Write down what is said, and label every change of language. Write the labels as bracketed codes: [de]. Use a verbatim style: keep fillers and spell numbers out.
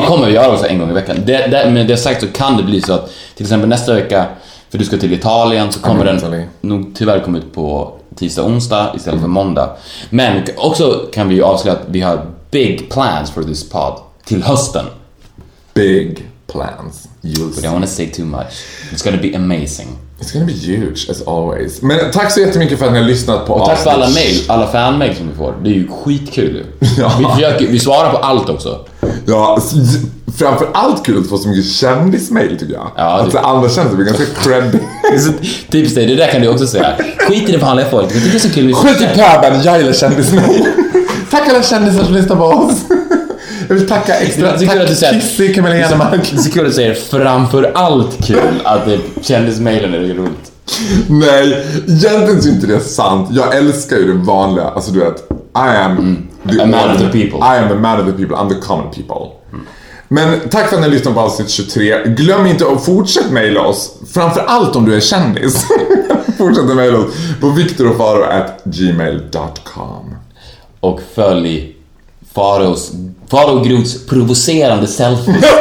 [sv] vi kommer att göra oss en gång i veckan. Det, det, med det sagt så kan det bli så att till exempel nästa vecka, för du ska till Italien, så kommer Ja, Italien. nog tyvärr komma ut på tisdag, onsdag istället för måndag. Men också kan vi ju avslöja att vi har [en] big plans for this pod [sv] till hösten. [en] Big plans. You'll But I don't want to say too much. It's gonna be amazing. It's gonna be huge as always. [sv] Men tack så jättemycket för att ni har lyssnat på Och tack för alla avsnitt- mail, alla fan-mail som vi får. Det är ju skitkul ju. Ja. Vi, försöker, vi svarar på allt också. Ja, s- framförallt kul att få så mycket kändismail tycker jag. Ja, det- Att det andra känns det ganska credit. Tips dig, det där kan du också säga. Skit i det vanliga folk. Jag tycker det är så kul. Skit i pöben, jag gillar kändismail. Tack alla kändisar som lyssnar på oss. Jag vill tacka Det extra. är så kul att du Tack säger- Kissy, Camilla Henemark. Det är så kul att du säger framför allt kul att det kändismailen är roligt. Nej, egentligen så är inte det sant. Jag älskar ju det vanliga. Alltså du vet, [en] I am the A man of ordinary- the people. I am a man of the people, I'm the common people. [sv] Men tack för att ni lyssnade på avsnitt tjugotre. Glöm inte att fortsätta mejla oss. Framförallt om du är kändis. Fortsätt att mejla oss på viktor och faro [en] at gmail dot com. [sv] Och följ Faros, Faro Groths provocerande selfie.